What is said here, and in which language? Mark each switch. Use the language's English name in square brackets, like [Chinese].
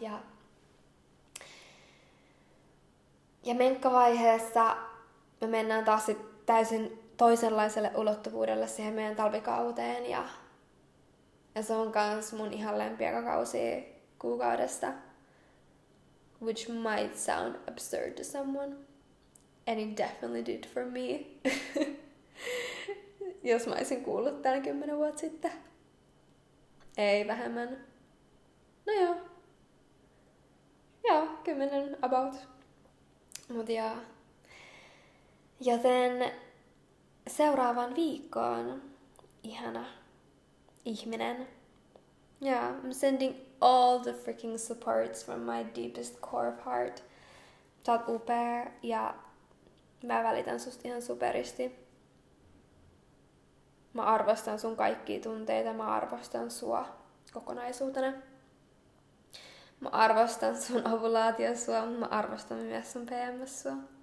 [Finnish] Ja menkkavaiheessa me mennään taas sitten täysin toisenlaiselle ulottuvuudelle siihen meidän talvikauteen. Ja se on kans mun ihan lempiä kausia kuukaudesta. [English] Which might sound absurd to someone. And it definitely did for me. [Finnish] Jos mä olisin kuullut tän 10 vuotta sitten. Ei vähemmän. No joo. Joo, 10 about. Mut joo. Joten seuraavaan viikkoon, ihana ihminen. [English] Yeah, I'm sending all the freaking supports from my deepest core of heart. [Finnish] Sä oot upea ja mä välitän susta ihan superisti. Mä arvostan sun kaikkia tunteita, mä arvostan sua kokonaisuutena. Mä arvostan sun ovulaatio sua, mä arvostan myös sun PMS sua.